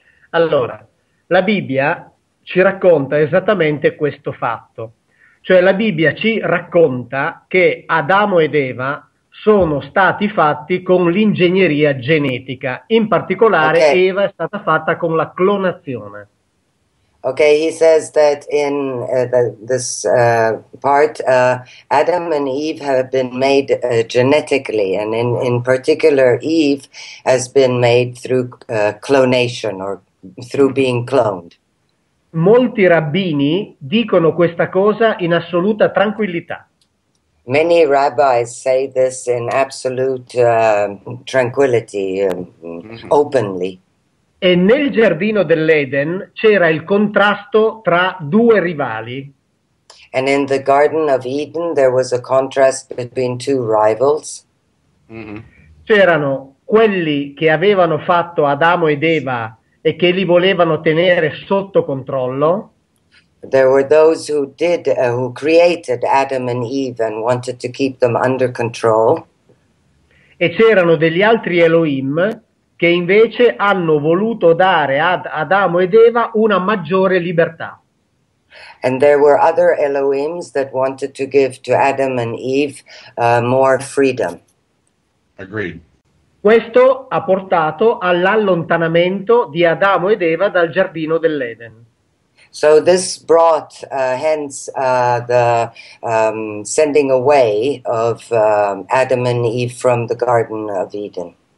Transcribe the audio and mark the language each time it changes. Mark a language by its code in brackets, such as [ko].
[it] Allora, la Bibbia ci racconta esattamente questo fatto. Cioè, la Bibbia ci racconta che Adamo ed Eva sono stati fatti con l'ingegneria genetica. In particolare, okay. Eva è stata fatta con la clonazione. [en] Okay, he says that in this part, Adam and Eve have been made genetically, and in particular, Eve has been made through clonation or through being cloned. [it] Molti rabbini dicono questa cosa in assoluta tranquillità. [en] Many rabbis say this in absolute tranquillity, openly. [it] E nel giardino dell'Eden c'era il contrasto tra due rivali. [en] And in the Garden of Eden there was a contrast between two rivals. Mm-hmm. [it] C'erano quelli che avevano fatto Adamo ed Eva e che li volevano tenere sotto controllo. [en] There were those who did who created Adam and Eve and wanted to keep them under control. [it] E c'erano degli altri Elohim che invece hanno voluto dare ad Adamo ed Eva una maggiore libertà. [en] And there were other Elohims that wanted to give to Adam and Eve more freedom. Agreed. [it] Questo ha portato all'allontanamento di Adamo ed Eva dal giardino dell'Eden. [en] So this brought hence the sending away of Adam and Eve from the Garden of Eden.